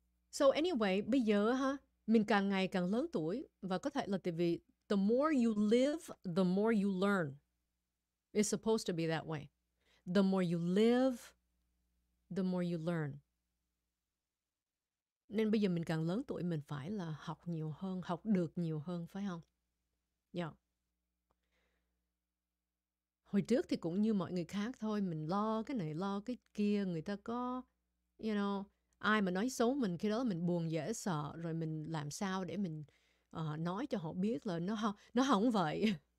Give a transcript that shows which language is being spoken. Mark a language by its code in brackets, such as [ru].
[vi] So anyway, bây giờ ha, mình càng ngày càng lớn tuổi và có thể là tại vì [en] the more you live, the more you learn. It's supposed to be that way. The more you live, the more you learn. [vi] Nên bây giờ mình càng lớn tuổi mình phải là học nhiều hơn, học được nhiều hơn, phải không? Yeah. Hồi trước thì cũng như mọi người khác thôi, mình lo cái này, lo cái kia, người ta có, you know, ai mà nói xấu mình, khi đó mình buồn dễ sợ, rồi mình làm sao để mình nói cho họ biết là nó không vậy.